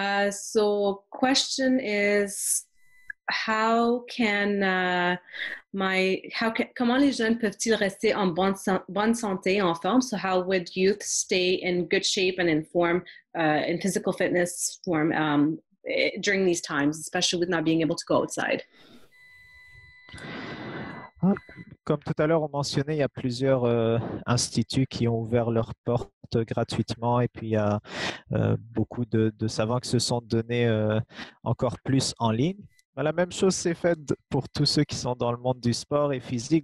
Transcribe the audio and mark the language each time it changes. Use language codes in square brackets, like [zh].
[en] So question is, [fr] comment les jeunes peuvent-ils rester en bonne santé, en forme? [en] So how would youth stay in good shape and in form, in physical fitness form, during these times, especially with not being able to go outside? [fr] Comme tout à l'heure on mentionnait, il y a plusieurs instituts qui ont ouvert leurs portes gratuitement, et puis il y a beaucoup de savants qui se sont donnés encore plus en ligne. Mais la même chose s'est faite pour tous ceux qui sont dans le monde du sport et physique.